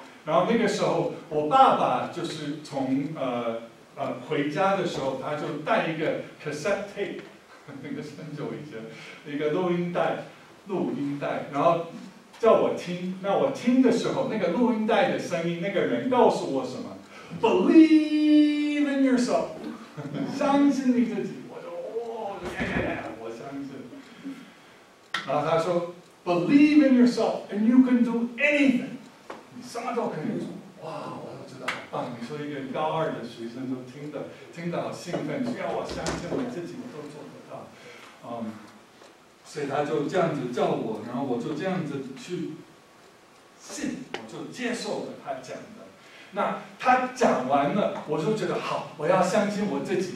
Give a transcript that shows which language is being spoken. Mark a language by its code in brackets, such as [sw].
[zh] 然后那个时候我爸爸就是从回家的时候他就带一个 cassette tape， 那个很久以前一个录音带，然后叫我听。那我听的时候那个录音带的声音，那个人告诉我什么？ [en] Believe in yourself， [zh] 相信你自己。我说哦耶、yeah， 我相信。然后他说 [en] Believe in yourself and you can do anything， [zh] 你什么都可以做。哇，我都知道啊。你说一个高二的学生都听得好兴奋，只要我相信我自己我都做得到。所以他就这样子叫我，然后我就这样子去信，我就接受了他讲的。那他讲完了，我就觉得好，我要相信我自己。